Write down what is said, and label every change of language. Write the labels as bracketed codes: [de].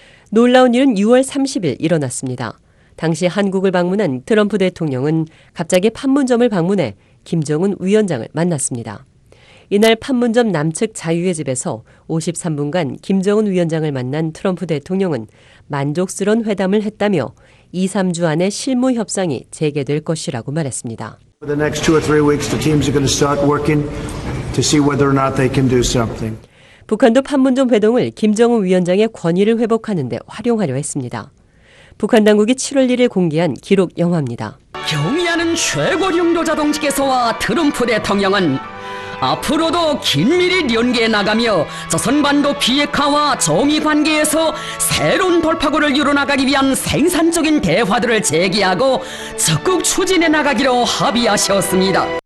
[ko] 놀라운 일은 6월 30일 일어났습니다. 당시 한국을 방문한 트럼프 대통령은 갑자기 판문점을 방문해 김정은 위원장을 만났습니다. 이날 판문점 남측 자유의 집에서 53분간 김정은 위원장을 만난 트럼프 대통령은 만족스러운 회담을 했다며 2, 3주 안에 실무협상이 재개될 것이라고 말했습니다. [en] For the next two or three weeks, the teams are going to start working to see whether or not they can do something. [ko] 북한도 판문점 회동을 김정은 위원장의 권위를 회복하는 데 활용하려 했습니다. 북한 당국이 7월 1일 공개한 기록 영화입니다. 경의하는 최고 영도자 동지께서와 트럼프 대통령은 앞으로도 긴밀히 연계해 나가며 조선반도 비핵화와 정의관계에서 새로운 돌파구를 이뤄나가기 위한 생산적인 대화들을 제기하고 적극 추진해 나가기로 합의하셨습니다.